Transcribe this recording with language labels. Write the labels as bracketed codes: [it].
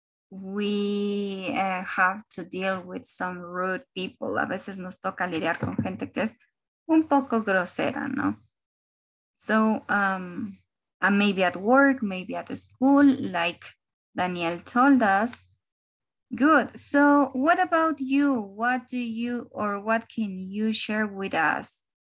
[en] We have to deal with some rude people. [es] A veces nos toca lidiar con gente que es un poco grosera, ¿no? [en] So, and maybe at work, maybe at the school, like Daniel told us. Good. So what about you? What do you or what can you share with us?